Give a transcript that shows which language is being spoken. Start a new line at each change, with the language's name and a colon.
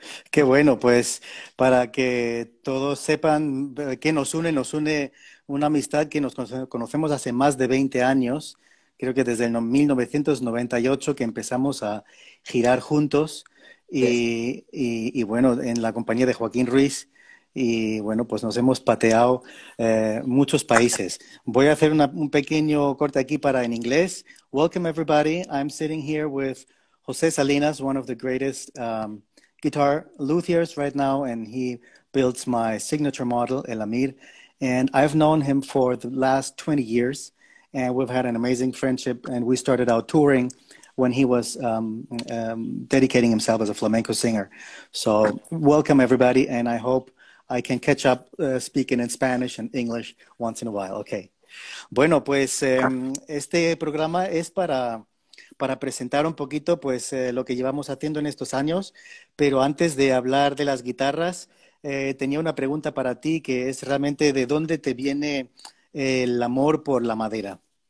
Spanish: Qué bueno, pues para que todos sepan qué nos une una amistad que nos conocemos hace más de 20 años, creo que desde el 1998 que empezamos a girar juntos y bueno, en la compañía de Joaquín Ruiz y bueno, pues nos hemos pateado muchos países. Voy a hacer un pequeño corte aquí para en inglés.
English: Welcome everybody, I'm sitting here with José Salinas, one of the greatest guitar luthiers right now, and he builds my signature model, El Amir. And I've known him for the last 20 years, and we've had an amazing friendship. And we started out touring when he was dedicating himself as a flamenco singer. So, welcome everybody, and I hope I can catch up speaking in Spanish and English once in a while. Okay.
Spanish: Bueno, pues este programa es para presentar un poquito pues lo que llevamos haciendo en estos años, pero antes de hablar de las guitarras, tenía una pregunta para ti que es realmente ¿de dónde te viene el amor por la madera?